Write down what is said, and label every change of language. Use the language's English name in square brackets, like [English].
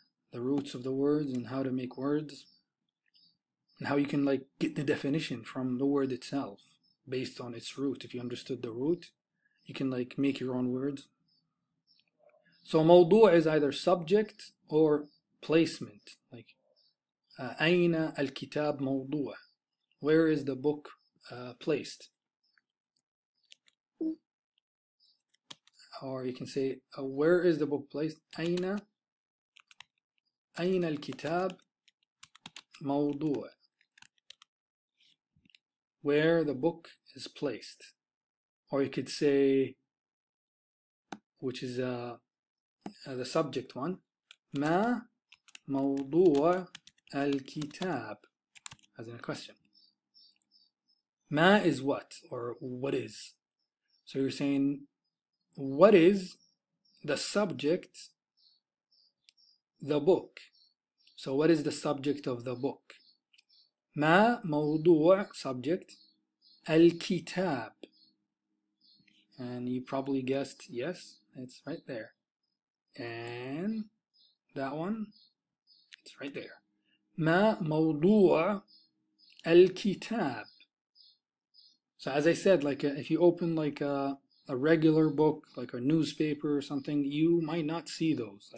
[English] The roots of the words and how to make words. And how you can, like, get the definition from the word itself based on its root. If you understood the root, you can, like, make your own words. So, موضوع is either subject or placement. [Arabic] Like, أين الكتاب موضوع? [English] Where is the book placed? Or you can say, where is the book placed? [Arabic] Aina, aina al-kitab mawdu'a. [English] Where the book is placed. Or you could say, which is the subject one, [Arabic] ma mawdu'a al-kitab, [English] as in a question. Ma is what, or what is. So you're saying, what is the subject, the book? So what is the subject of the book? [Arabic] ما موضوع, subject, الكتاب. [English] And you probably guessed, yes, it's right there. And that one, it's right there. [Arabic] ما موضوع الكتاب. [English] So as I said, like if you open like a regular book, like a newspaper or something, you might not see those.